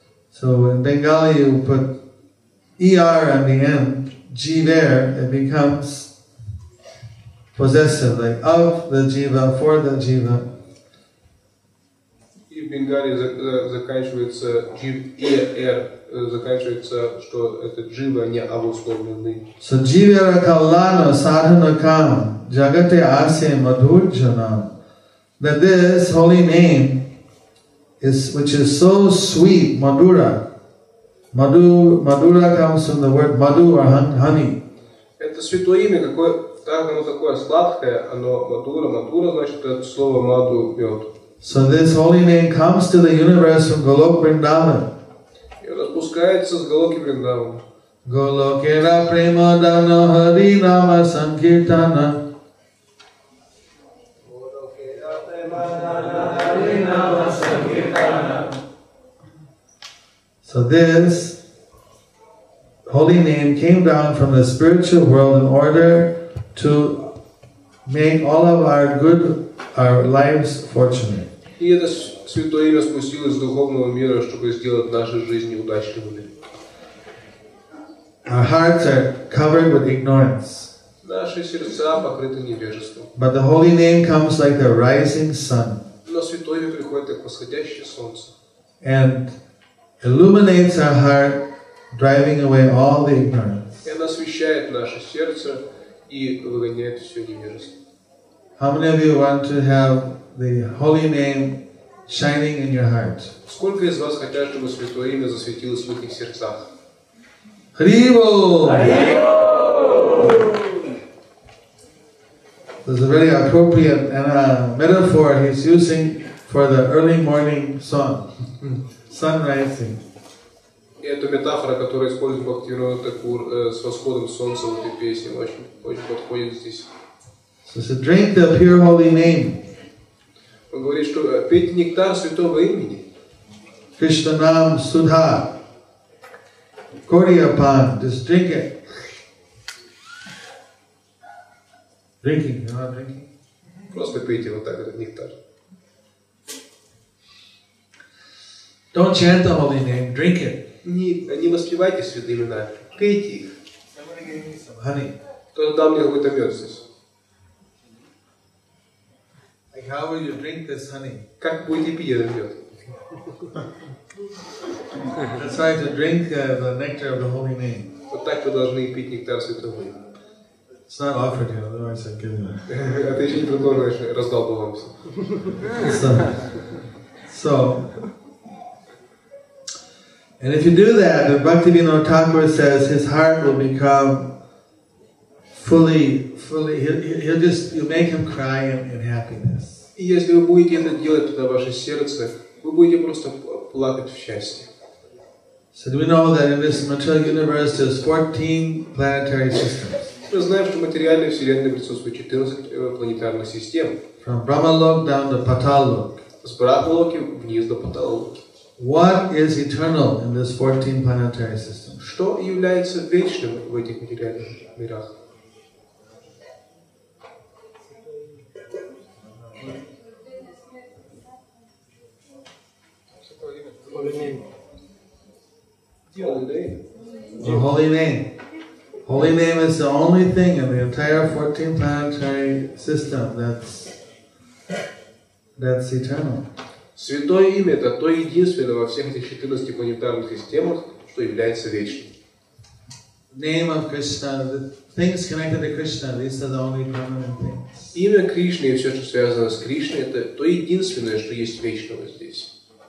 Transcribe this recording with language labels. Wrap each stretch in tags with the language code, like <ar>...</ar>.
<en>So in Bengali you put ER on the end, Jiver, it becomes possessive, like of the Jiva, for the Jiva.</en> <ru>И в Бенгалии заканчивается Jiv, ER, заканчивается, что это Jiva, не обусловленный.</ru> <bn>So Jivera Kallana Sadhana Kam Jagate Asya Madhurjanam.</bn> <en>That this holy name is, which is so sweet, madura. Madura comes from the word madu or honey.</en> <ru>Это святое имя, какое, так оно такое сладкое, оно madura. Madura значит это слово madu, мед.</ru> <en>So this holy name comes to the universe from Golok Vrindavan.</en> <ru>И распускается с Голоки Вриндавана.</ru> <bn>Голокера премадана хари нама санкиртана.</bn> <en>So this holy name came down from the spiritual world in order to make all of our good, our lives fortunate.</en> <ru>И это святое имя спустилось с духовного мира, чтобы сделать наши жизни удачливыми.</ru> <en>Our hearts are covered with ignorance.</en> <ru>Наши сердца покрыты невежеством.</ru> <en>But the holy name comes like the rising sun.</en> <ru>Но святое имя приходит как восходящее солнце.</ru> <en>And illuminates our heart, driving away all the ignorance.</en> <ru>И она освещает наше сердце и выгоняет все невежество.</ru> <en>How many of you want to have the holy name shining in your heart?</en> <ru>Сколько из вас хотят, чтобы святое имя засветилось в их сердцах?</ru> <bn>Хари бол! Хари бол!</bn> <en>This is a very appropriate and a metaphor he's using for the early morning sun. Sunrising.</en> <ru>Это метафора, которую использует Бхактивинода Такур с восходом солнца в этой песне. Очень подходит здесь.</ru> <en>So said, drink the pure holy name.</en> <ru>Он говорит, что пейте нектар святого имени.</ru> <bn>Кришнанам Судха. Кориапан.</bn> <en>Just drink it. Drinking, you're not drinking.</en> <ru>Просто пейте вот так этот нектар.</ru> <en>Don't chant the holy name, drink it.</en> <ru>Не воспевайте святые имена, пейте их.</ru> <en>Honey.</en> <ru>Кто-то дал мне какой-то мед здесь.</ru> <en>Like how will you drink this honey?</en> <ru>Как будете пить этот мед?</ru> <en>That's why to drink the nectar of the holy name.</en> <ru>Вот так вы должны пить нектар святого имени.</ru> <en>It's not offered you, otherwise I'd give it.</en> <ru>А ты еще не предложишь, раздал бы вам все.</ru> <en>So. And if you do that, then Bhaktivinoda Thakur says his heart will become fully, you'll make him cry in happiness.</en> <ru>И если вы будете это делать, тогда ваше сердце, вы будете просто плакать в счастье.</ru> <en>So do we know that in this material universe there's 14 planetary systems?</en> <ru>Мы знаем, что в материальной вселенной присутствует 14 планетарных систем.</ru> <en>From Brahmalok down to Patalok.</en> <ru>С Брахмалоки вниз до Паталоки.</ru> <en>What is eternal in this 14 planetary system?</en> <ru>Что является вечным в этих материальных мирах?</ru> <en>The holy name. Holy name is the only thing in the entire 14 planetary system that's eternal.</en> <ru>Святое имя – это то единственное во всех этих 14 планетарных системах, что является вечным.</ru> <en>Name of Krishna, the things connected to Krishna, these are the only permanent things.</en> <ru>Имя Кришны и все, что связано с Кришной – это то единственное, что есть вечного здесь.</ru>